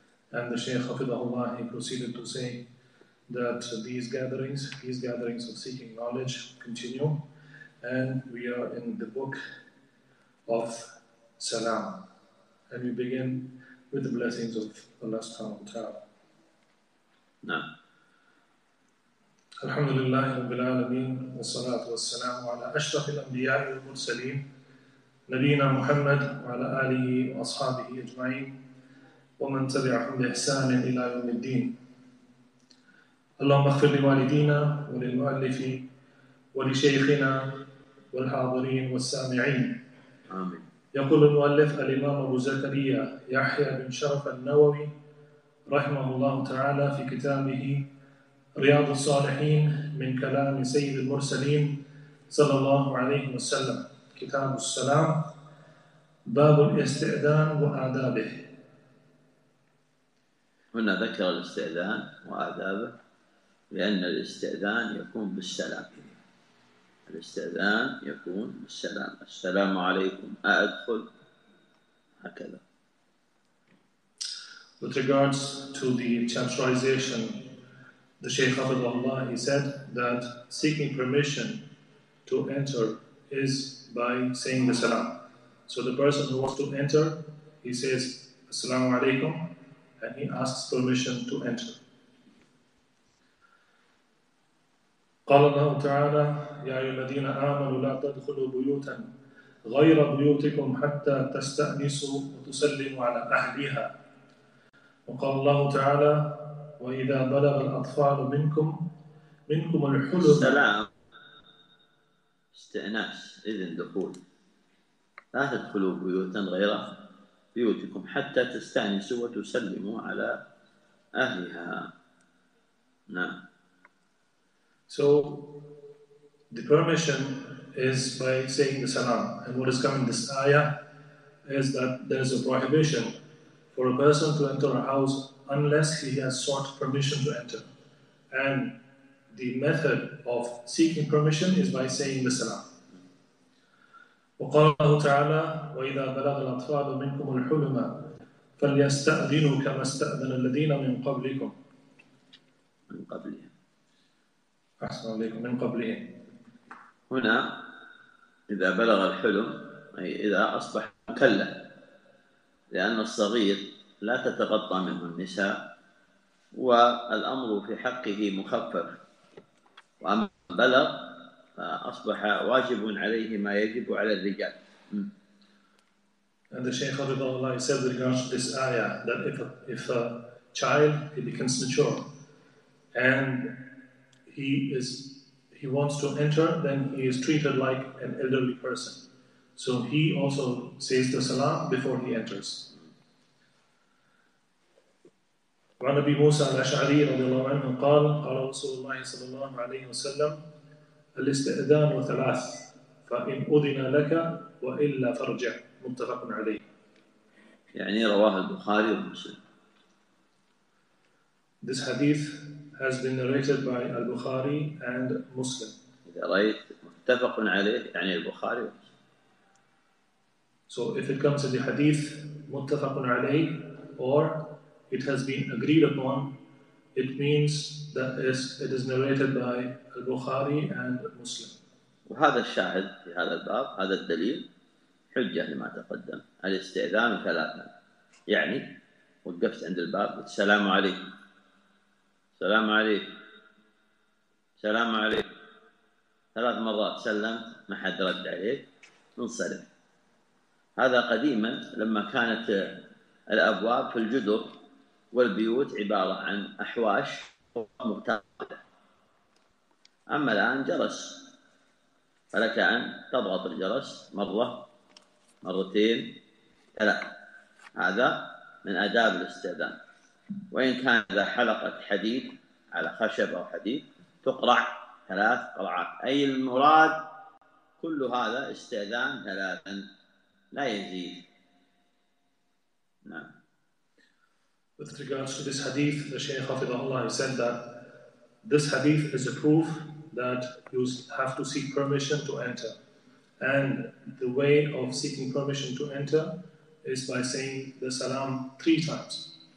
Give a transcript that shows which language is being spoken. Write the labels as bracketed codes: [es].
[en] And the Shaykh hafidhahullah, he proceeded to say that these gatherings of seeking knowledge continue, and we are in the book of Salam, and we begin with the blessings of Allah subhanahu wa ta'ala. No. [ar] الحمد لله رب العالمين والصلاة والسلام على أشرف الأنبياء والمرسلين نبينا محمد وعلى آله وأصحابه أجمعين ومن تبعهم بإحسان إلى يوم الدين. اللهم اغفر لوالدينا وللمؤلف ولشيخنا والحاضرين والسامعين. آمين. يقول المؤلف الإمام أبو زكريا يحيى بن شرف النووي رحمه الله تعالى في كتابه رياض الصالحين من كلام سيد المرسلين صلى الله عليه وسلم، كتاب السلام، باب الاستئذان وآدابه. هنا ذكر الاستئذان وآدابه، لأن الاستئذان يكون بالسلام. الاستئذان يكون بالسلام، السلام عليكم، أدخل، هكذا. [en] With regards to the chapterization, the Shaykh of Allah, he said that seeking permission to enter is by saying the salam. So the person who wants to enter, he says assalamu alaikum, and he asks permission to enter. [ar] قال الله تعالى يا أيها الذين آمنوا لا تدخلوا بيوتا غير بيوتكم حتى تستأنسوا وتسلموا على أهلها. وقال الله تعالى وإذا بلغ الأطفال منكم الحلم. سلام، استئناس، إذن دخول. لا تدخلوا بيوتا غير بيوتكم حتى تستأنسوا وتسلموا على أهلها. نعم. [en] So the permission is by saying the salam. And what is coming this ayah is that there is a prohibition for a person to enter a house unless he has sought permission to enter. And the method of seeking permission is by saying the salam. [ar] وقال الله تعالى وَإِذَا بَلَغَ الْأَطْفَالُ مِنْكُمُ الْحُلُمَ فَلْيَسْتَأْذِنُوا كَمَا اسْتَأْذَنَ الَّذِينَ مِنْ قَبْلِكُمْ. من قبلهم. أحسن عليكم، من قبلهم. هنا إذا بلغ الحلم، أي إذا أصبح مكلف، لأن الصغير لا تتغطى منه النساء، والأمر في حقه مخفف. وأما بلغ فأصبح واجب عليه ما يجب على الرجال. [en] And the Shaykh of Allah said with regards to this ayah that if a child he becomes mature and he wants to enter, then he is treated like an elderly person. So he also says the salah before he enters. [ar] وعن أبي موسى الأشعري رضي الله عنه قال رسول الله صلى الله عليه وسلم الاستئذان وثلاث، فإن أذن لك وإلا فرجع، متفق عليه. يعني رواه البخاري ومسلم. [en] This hadith has been narrated by Al-Bukhari and Muslim. [ar] إذا رأيت متفق عليه يعني البخاري. [en] So if it comes to the hadith [ar] متفق عليه [en] or it has been agreed upon, it means that it is narrated by Al-Bukhari and Muslim. [ar] وهذا الشاهد في هذا الباب، هذا الدليل حجة لما تقدم، الاستئذان ثلاثا، يعني وقفت عند الباب، السلام عليكم، سلام عليك، سلام عليك، ثلاث مرات سلمت ما حد رد عليك، انصرف. هذا قديما لما كانت الأبواب في الجدر والبيوت عبارة عن أحواش مرتفعة، أما الآن جرس، فلك أن تضغط الجرس مرة مرتين ثلاث، هذا من آداب الاستئذان. وإن كان إذا حلقة حديد على خشب أو حديد تقرع ثلاث قرعات، أي المراد كل هذا استئذان ثلاثا لا يزيد. نعم. [en] With regards to this hadith, the Shaykh of Allah said that this hadith is a proof that you have to seek permission to enter. And the way of seeking permission to enter is by saying the salam three times.